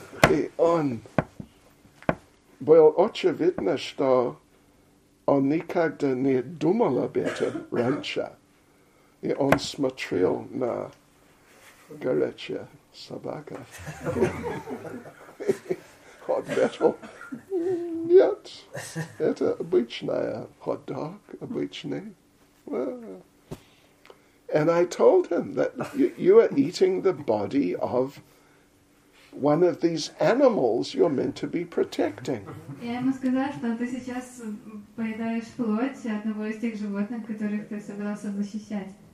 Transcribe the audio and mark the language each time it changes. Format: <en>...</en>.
<ru>И он был очевидно, что он никогда не думал об этом раньше. И он смотрел на горячую собаку. Хот-дог. Нет, это обычная хот-дог, обычный.</ru> <en>And I told him that you are eating the body of one of these animals you're meant to be protecting.</en> <ru>Я ему сказал, что ты сейчас поедаешь плоть одного из тех животных, которых ты собирался защищать.</ru>